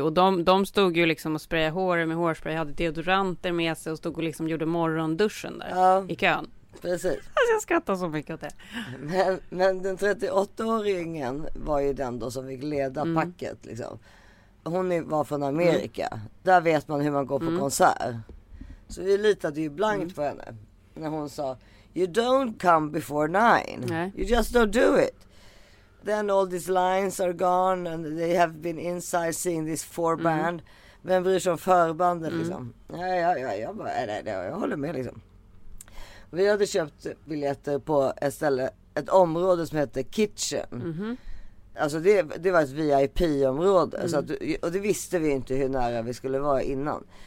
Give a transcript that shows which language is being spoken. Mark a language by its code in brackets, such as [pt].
[sv] Och de stod ju liksom och sprayade håret med hårspray. Hade deodoranter med sig och stod och liksom gjorde morgonduschen där i kön. Precis. Alltså jag skrattar så mycket åt det. Men den 38-åringen var ju den då som fick leda packet liksom. Hon var från Amerika. Mm. Där vet man hur man går på konsert. Så vi litade ju blankt på henne. När hon sa, [en] you don't come before 9. You just don't do it. Then all these lines are gone and they have been inside seeing this four band. [sv] Vem bryr sig om förbandet liksom? Ja, jag bara, jag håller med liksom. Vi hade köpt biljetter på ett område som heter Kitchen. Mm-hmm. Alltså det var ett VIP-område. Mm. Och det visste vi inte hur nära vi skulle vara innan.